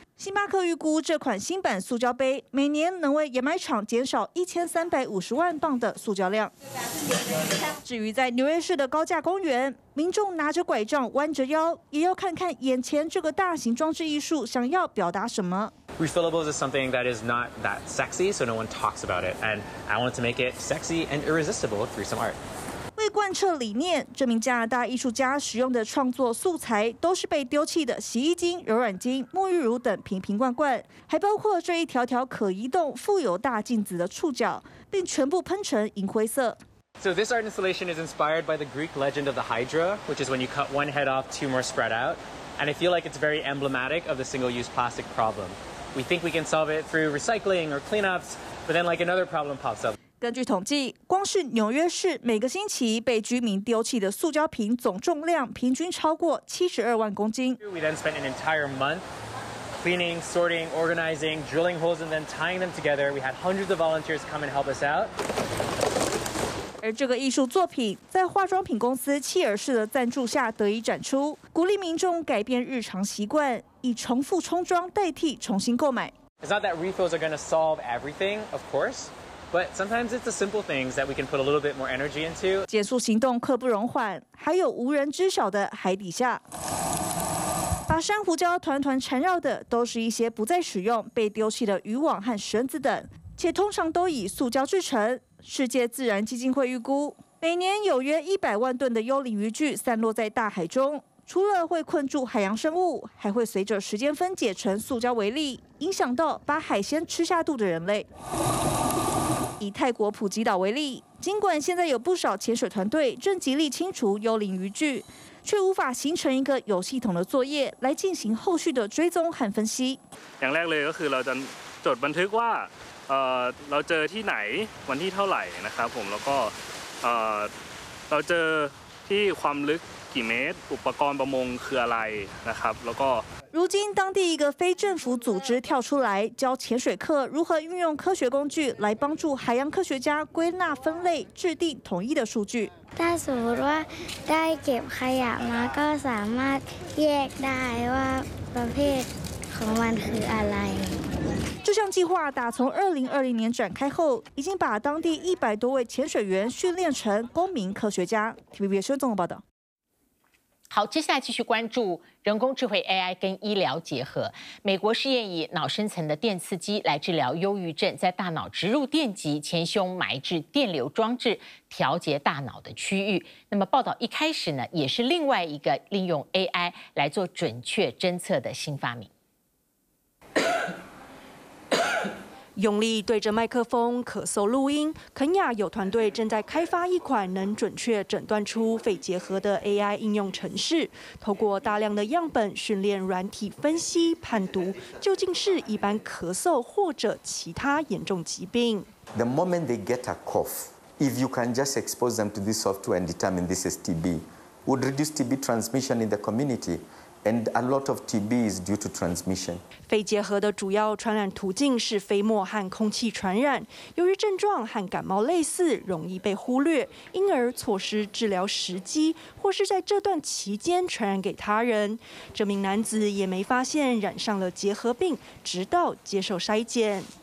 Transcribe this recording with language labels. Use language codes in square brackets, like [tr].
[zh] 星巴克预估这款新版塑胶杯每年能为研磨厂减少1350万磅的塑胶量。至于在纽约市的高架公园，民众拿着拐杖弯着腰，也要看看眼前这个大型装置艺术想要表达什么。 [en] Refillables is something that is not that sexy, so no one talks about it, and I wanted to make it sexy and irresistible through some art. [zh] 为贯彻理念，这名加拿大艺术家使用的创作素材都是被丢弃的洗衣巾、柔软巾、沐浴乳等瓶瓶罐罐，还包括这一条条可移动、富有大镜子的触角，并全部喷成银灰色。 [en] So this art installation is inspired by the Greek legend of the Hydra, which is when you cut one head off, two more spread out, and I feel like it's very emblematic of the single-use plastic problem. We think we can solve it through recycling or cleanups, but then like another problem pops up. [zh] 根据统计，光是纽约市每个星期被居民丢弃的塑胶瓶总重量平均超过72万公斤。 [en] We then spent an entire month cleaning, sorting, organizing, drilling holes, and then tying them together. We had hundreds of volunteers come and help us out. [zh] 而这个艺术作品在化妆品公司契尔氏的赞助下得以展出，鼓励民众改变日常习惯，以重复冲装代替重新购买。 [en] It's not that refills are going to solve everything, of course. But sometimes it's the simple things that we can put a little bit more energy into. [zh] 减速行动刻不容缓，还有无人知晓的海底下。把珊瑚礁团团缠绕的都是一些不再使用、被丢弃的渔网和绳子等，且通常都以塑胶制成。世界自然基金会预估，每年有约100万吨的幽灵渔具散落在大海中，除了会困住海洋生物，还会随着时间分解成塑胶微粒，影响到把海鲜吃下肚的人类。以泰国普吉岛为例，尽管现在有不少潜水团队正极力清除幽灵渔具，却无法形成一个有系统的作业来进行后续的追踪和分析。 [th] อย่างแรกเลยก็คือเราจะจดบันทึกว่าเราเจอที่ไหนวันที่เท่าไหร่นะครับผมแล้วก็เราเจอที่ความลึกกี่เมตรอุปกรณ์ประมงคืออะไรนะครับแล้วก็ [zh] 如今，当地一个非政府组织跳出来教潜水客如何运用科学工具来帮助海洋科学家归纳分类、制定统一的数据。但是如果在捡海洋嘛，就 [th] สามารถแยกได้ว่าประเภทของมันคืออะไร。 [zh] 这项计划打从2020年展开后，已经把当地100多位潜水员训练成公民科学家。 TVBS 新闻报道。好，接下来继续关注人工智慧 AI 跟医疗结合。美国试验以脑深层的电刺激来治疗忧郁症，在大脑植入电极，前胸埋置电流装置，调节大脑的区域。那么报道一开始呢，也是另外一个利用 AI 来做准确侦测的新发明。用力对着麦克风咳嗽录音，肯亚有团队正在开发一款能准确诊断出肺结核的 AI 应用程式，透过大量的样本训练软体分析判读究竟是一般咳嗽或者其他严重疾病。 [en] The moment they get a cough, if you can just expose them to this software and determine this is TB, would reduce TB transmission in the community. And a lot of TB is due to transmission. [zh] 肺结核的主要传染途径是飞沫和空气传染。由于症状和感冒类似，容易被忽略，因而错失治疗时机，或是在这段期间传染给他人。这名男子也没发现染上了结核病，直到接受筛检。